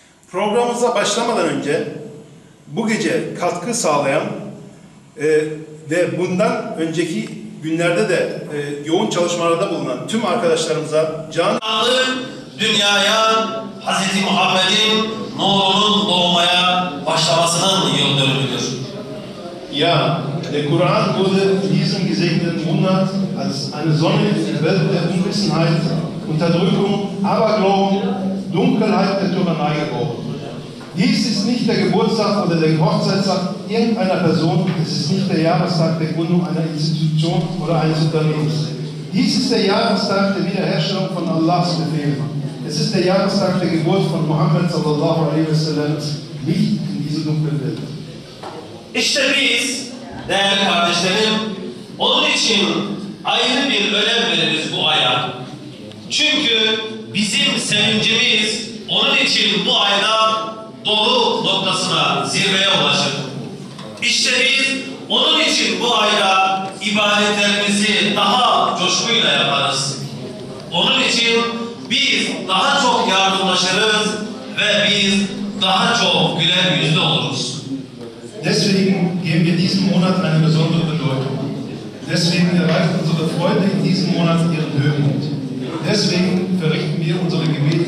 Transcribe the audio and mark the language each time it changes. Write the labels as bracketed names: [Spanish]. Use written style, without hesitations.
[Turkish] Programımıza başlamadan önce bu gece katkı sağlayan ve bundan önceki günlerde de yoğun çalışmalarda bulunan tüm arkadaşlarımıza can sağlığı dünyaya Hazreti Muhammed'in nurunun doğmaya başlamasının yıl dönümüdür. [German] Ja, der Koran wurde in diesem gesegneten Monat als eine Sonne in der Welt der Unwissenheit, Unterdrückung, Aberglauben, Dunkelheit der Tyrannei geboren. Dies ist nicht der Geburtstag oder der Hochzeitstag irgendeiner Person, es ist nicht der Jahrestag der Gründung einer Institution oder eines Unternehmens. Dies ist der Jahrestag der Wiederherstellung von Allahs Befehlen. Es ist der Jahrestag der Geburt von Muhammad [Arabic] sallallahu alaihi wa sallam, [German] Licht in diese dunkle Welt. [Turkish] İşte biz, değerli kardeşlerim, onun için ayrı bir önem veririz bu aya. Çünkü bizim sevincimiz onun için bu ayda dolu noktasına, zirveye ulaşır. İşte biz onun için bu ayda ibadetlerimizi daha coşkuyla yaparız. Onun için biz daha çok yardımlaşırız ve biz daha çok güler yüzlü oluruz. [German] Deswegen geben wir diesem Monat eine besondere Bedeutung. Deswegen erreicht unsere Freude in diesem Monat ihren Höhepunkt. Deswegen verrichten wir unsere Gebete.